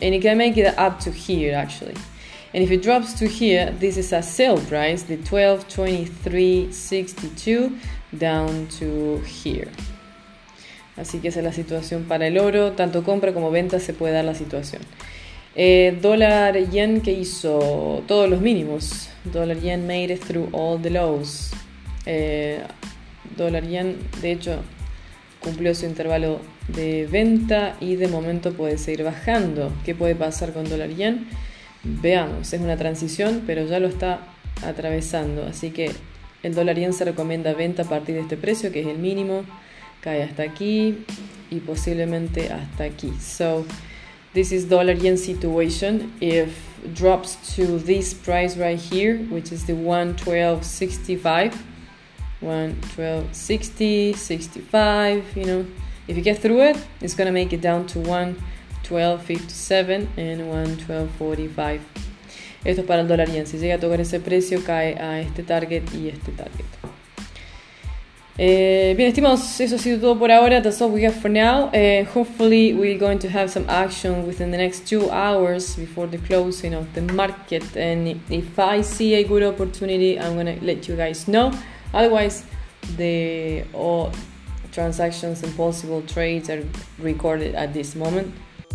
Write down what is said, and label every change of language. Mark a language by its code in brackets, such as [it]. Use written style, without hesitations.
[en] And it can make it up to here, actually. And if it drops to here, this is a sell price, the 12.23.62 down to here. [es] Así que esa es la situación para el oro. Tanto compra como venta se puede dar la situación. Dólar yen que hizo todos los mínimos. [en] Dólar yen made it through all the lows. [es] Dólar yen, de hecho, cumplió su intervalo de venta y de momento puede seguir bajando. ¿Qué puede pasar con dólar yen? Veamos, es una transición, pero ya lo está atravesando. Así que el dólar yen se recomienda venta a partir de este precio, que es el mínimo. Cae hasta aquí y posiblemente hasta aquí. [en] So, this is dollar yen situation. If drops to this price right here, which is the 112.60, 65, you know, if you get through it, it's going to make it down to [es] 1257 and 1245. Esto es para el dólar yen. Si llega a tocar ese precio, cae a este target y este target. Bien, estimados, eso ha sido todo por ahora. [en] That's all we have for now. Hopefully, we're going to have some action within the next 2 hours before the closing of the market. And if I see a good opportunity, I'm going to let you guys know. Otherwise, the all transactions and possible trades are recorded at this moment.